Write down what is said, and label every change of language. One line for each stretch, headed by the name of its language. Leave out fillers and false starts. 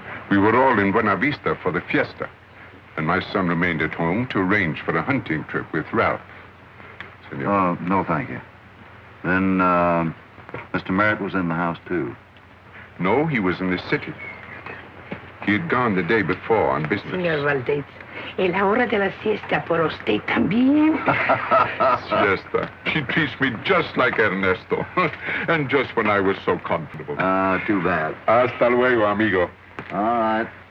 English: We were all in Buena Vista for the fiesta, and my son remained at home to arrange for a hunting trip with Ralph. Senor. Oh, no, thank you. Then, Mr. Merritt was in the house, too. No, he was in the city. He had gone the day before on business.
Spanish: Senor Valdez, el hora de la siesta por usted también. Siesta.
English: She treats me just like Ernesto, and just when I was so comfortable. Too bad.
Spanish: Hasta luego, amigo.
English: All right.